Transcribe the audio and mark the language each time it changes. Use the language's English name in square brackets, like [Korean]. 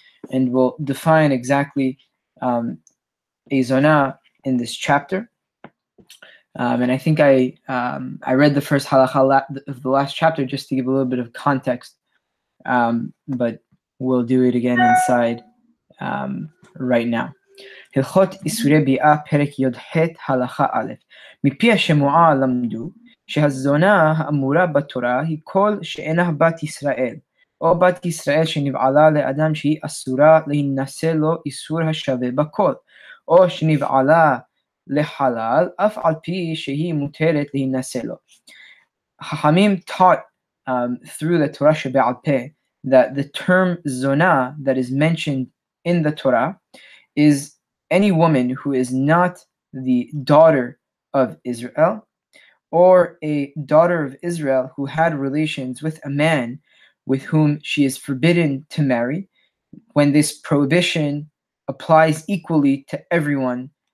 [English] And we'll define exactly a Zona in this chapter. And I think I read the first Halakha of the last chapter just to give a little bit of context, but we'll do it again inside right now. [Hebrew] הלכות איסורי ביאה פרק י"ח הלכה א' מפי השמועה למדו שהזונה האמורה בתורה היא כל שאינה בת ישראל או בת ישראל שנבעלה לאדם שהיא אסורה להינשא לו איסור השווה בכל או שנבעלה לחלל אף על פי שהיא מותרת להינשא לו. [English] חכמים taught through the Torah שבעל פה that the term zona that is mentioned in the Torah is any woman who is not the daughter of Israel or a daughter of Israel who had relations with a man with whom she is forbidden to marry, when this prohibition applies equally to everyone